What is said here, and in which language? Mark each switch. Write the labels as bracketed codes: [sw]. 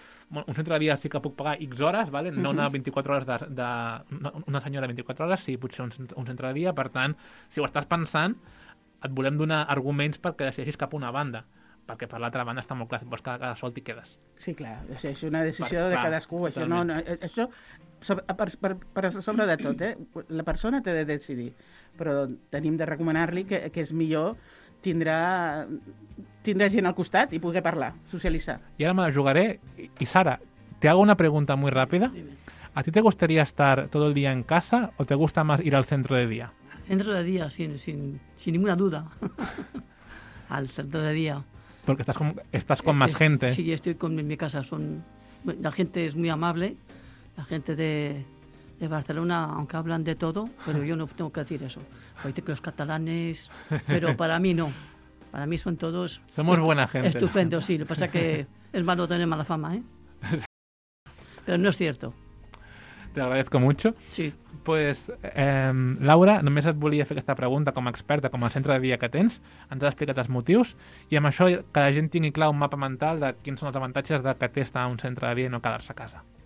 [ca] Un centre de dia sí que puc pagar X hores, vale? No una 24 hores de una senyora 24 hores, sí, potser un centre de dia. Per tant, si ho estàs pensant, et volem donar arguments perquè decideixis cap a una banda, perquè per l'altra banda està molt clar, si vols quedar sol t'hi quedes. Sí, clar, és una decisió de cadascú. Això, per sobre de tot, la persona té de decidir, però tenim de recomanar-li que és millor tindrà gent al costat i poder parlar, socialitzar. I ara me la jugaré. [es] I Sara, te hago una pregunta muy rápida. Dime. ¿A ti te gustaría estar todo el día en casa o te gusta más ir al centro de día? Centro de día, sin ninguna duda. Al centro de día. Porque estás con más gente. Sí, estoy con mi casa. La gente es muy amable. La gente de Barcelona, aunque hablan de todo, pero yo no tengo que decir eso. Oíste que los catalanes, pero para mí no. Para mí son todos... Somos buena gente. Estupendo, sí. Lo que pasa es que es malo tener mala fama, ¿eh? Pero no es cierto. Te agradezco mucho. Sí. [ca] Pues, Laura, només et volia fer aquesta pregunta com a experta, com a centre de dia que tens. Ens has explicat els motius. I amb això, que la gent tingui clar un mapa mental de quins són els avantatges de que té estar a un centre de dia i no quedar-se a casa.